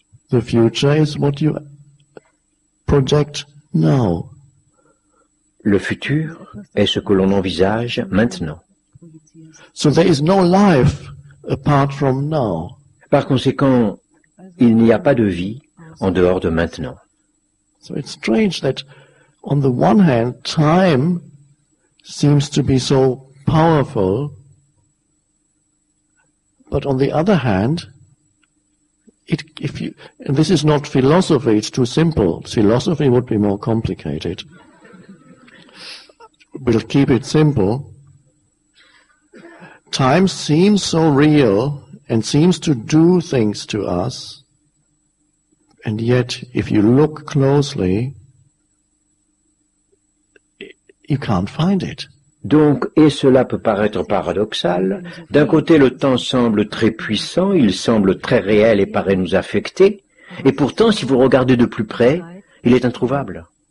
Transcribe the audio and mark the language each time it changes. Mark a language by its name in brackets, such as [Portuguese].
[English] The future is what you project now. [French] Le futur est ce que l'on envisage maintenant. [English] So there is no life apart from now. [French] Par conséquent, il n'y a pas de vie en dehors de maintenant. [English] So it's strange that on the one hand, time seems to be so powerful, but on the other hand, and this is not philosophy, it's too simple. Philosophy would be more complicated. We'll keep it simple. Time seems so real and seems to do things to us, and yet if you look closely, you can't find it. [French] Donc, et cela peut paraître paradoxal, d'un côté le temps semble très puissant, il semble très réel et paraît nous affecter, et pourtant si vous regardez de plus près, il est introuvable.